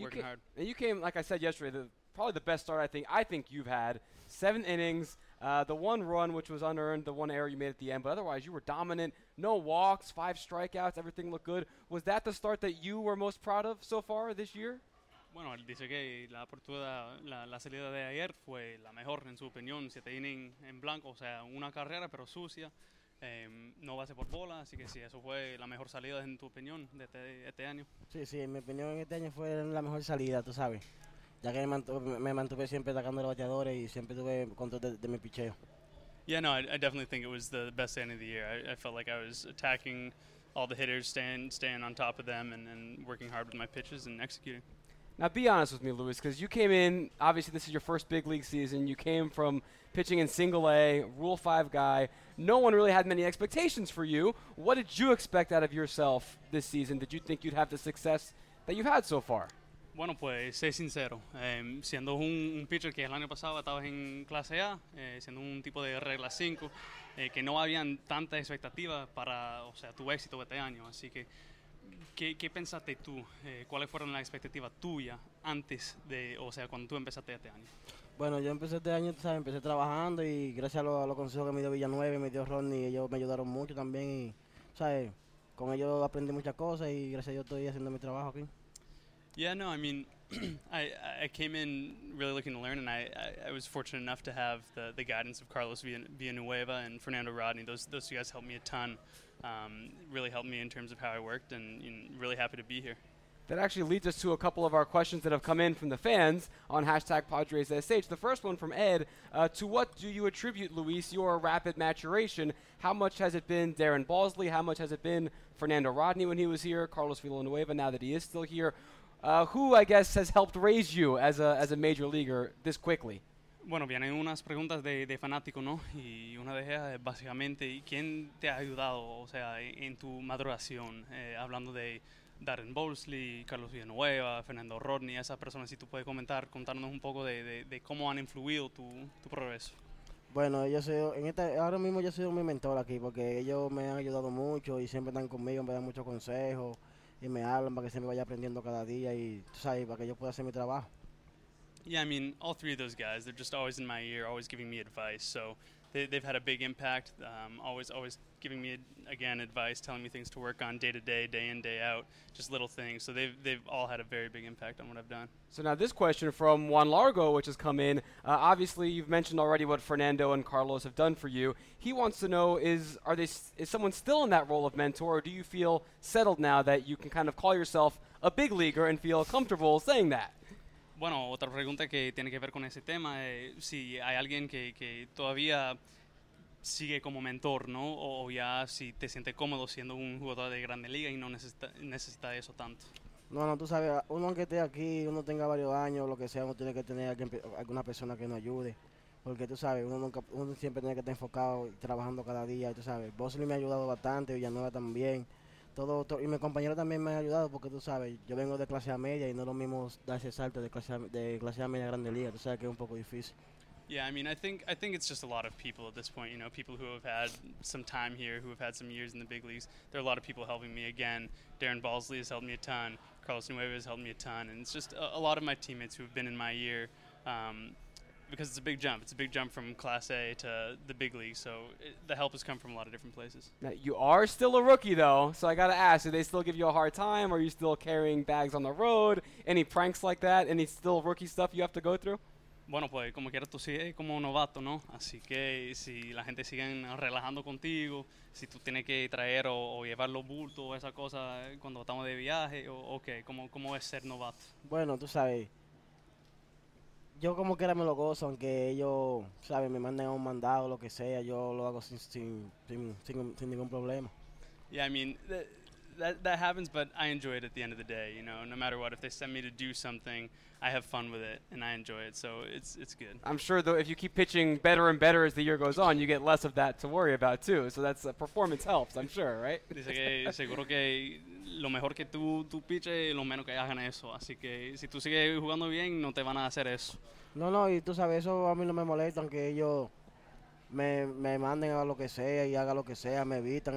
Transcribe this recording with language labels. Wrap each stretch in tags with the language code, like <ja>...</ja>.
<en>working hard. And you came, like I said yesterday, probably the best start I think you've had. 7 innings, the one run, which was unearned, the one error you made at the end. But otherwise, you were dominant. No walks, 5 strikeouts, everything looked good. Was that the start that you were most proud of so far this year?</en> <es>Bueno, él dice que la apertura, la salida de ayer fue la mejor en su opinión, 7 innings en blanco, o sea, una carrera pero sucia, no base por bola, así que sí, eso fue la mejor salida en tu opinión de este año. Sí, sí, en mi opinión este año fue la mejor salida, tú sabes, ya que me mantuve siempre atacando a los bateadores y siempre tuve control de mi picheo.</es> <en>Yeah, no, I definitely think it was the best end of the year. I felt like I was attacking all the hitters, staying on top of them and working hard with my pitches and executing. Now, be honest with me, Luis, because you came in, obviously this is your first big league season. You came from pitching in single A, Rule 5 guy. No one really had many expectations for you. What did you expect out of yourself this season? Did you think you'd have the success that you've had so far?</en> <es>Bueno, pues, sé sincero. Siendo un pitcher que el año pasado estaba en clase A, siendo un tipo de regla 5, que no habían tantas expectativas para, o sea, tu éxito este año, así que ¿Qué pensaste tú? ¿Cuáles fueron las expectativas tuyas antes de, o sea, cuando tú empezaste este año? Bueno, yo empecé este año, tú sabes, empecé trabajando y gracias a los consejos que me dio Villanueva y me dio Ronnie, ellos me ayudaron mucho también y, ¿sabes? Con ellos aprendí muchas cosas y gracias a ellos estoy haciendo mi trabajo aquí.</es> <en>Yeah, no, I mean, I came in really looking to learn and I was fortunate enough to have the guidance of Carlos Villanueva and Fernando Rodney. Those two guys helped me a ton. Really helped me in terms of how I worked and really happy to be here. That actually leads us to a couple of our questions that have come in from the fans on #PadresSH. The first one from Ed, to what do you attribute, Luis, your rapid maturation? How much has it been Darren Balsley? How much has it been Fernando Rodney when he was here? Carlos Villanueva now that he is still here? Who, I guess, has helped raise you as a major leaguer this quickly?</en> <es>Bueno, vienen unas preguntas de fanático, ¿no? Y una de ellas es básicamente, ¿quién te ha ayudado, o sea, en tu maduración? Hablando de Darren Bowlesley, Carlos Villanueva, Fernando Rodney, esas personas, si tú puedes comentar, contarnos un poco de cómo han influido tu progreso. Bueno, ahora mismo yo soy mi mentor aquí, porque ellos me han ayudado mucho y siempre están conmigo, me dan muchos consejos y me hablan para que se me vaya aprendiendo cada día y, tú sabes, para que yo pueda hacer mi trabajo.</es> <en>Yeah, I mean, all three of those guys, they're just always in my ear, always giving me advice. So they've had a big impact, always giving me, again, advice, telling me things to work on day to day, day in, day out, just little things. So they've all had a very big impact on what I've done. So now this question from Juan Largo, which has come in. Obviously, you've mentioned already what Fernando and Carlos have done for you. He wants to know, is someone still in that role of mentor, or do you feel settled now that you can kind of call yourself a big leaguer and feel comfortable saying that?</en> <es>Bueno, otra pregunta que tiene que ver con ese tema es si hay alguien que todavía sigue como mentor, ¿no? O ya si te sientes cómodo siendo un jugador de grande liga y no necesita eso tanto. No, tú sabes, uno aunque esté aquí, uno tenga varios años, lo que sea, uno tiene que tener alguna persona que nos ayude. Porque tú sabes, uno siempre tiene que estar enfocado y trabajando cada día, tú sabes. Bosley me ha ayudado bastante, Villanueva también. Y mi compañero también me ha ayudado porque tú sabes, yo vengo de clase media y no es lo mismo dar ese salto de clase media a grande liga, tú sabes que es un poco difícil.</es> <en>Yeah, I mean, I think it's just a lot of people at this point. You know, people who have had some time here, who have had some years in the big leagues. There are a lot of people helping me. Again, Darren Balsley has helped me a ton. Carlos Nueva has helped me a ton. And it's just a lot of my teammates who have been in my year, because it's a big jump. It's a big jump from Class A to the big league. So the help has come from a lot of different places. Now, you are still a rookie, though. So I got to ask, do they still give you a hard time? Are you still carrying bags on the road? Any pranks like that? Any still rookie stuff you have to go through?</en> <es>Bueno, pues como quieras tú sigues como novato, ¿no? Así que si la gente sigue relajando contigo, si tú tienes que traer o llevar los bultos o esa cosa cuando estamos de viaje, o okay, ¿cómo es ser novato? Bueno, tú sabes, yo como quiera me lo gozo, aunque ellos, ¿sabes?, me manden un mandado o lo que sea, yo lo hago sin ningún problema.</es> <en>Yeah, I mean, that happens, but I enjoy it at the end of the day, you know, no matter what. If they send me to do something, I have fun with it, and I enjoy it, so it's good. I'm sure, though, if you keep pitching better and better as the year goes on, you get less of that to worry about, too. So that's performance helps, I'm sure, right?</en> <es>Dice que seguro que lo mejor que tú piches, lo menos que hagan eso. Así que si tú sigues jugando bien, no te van a hacer eso. No, y tú sabes, eso a mí no me molesta, aunque ellos me manden a lo que sea y haga lo que sea, me evitan.</es>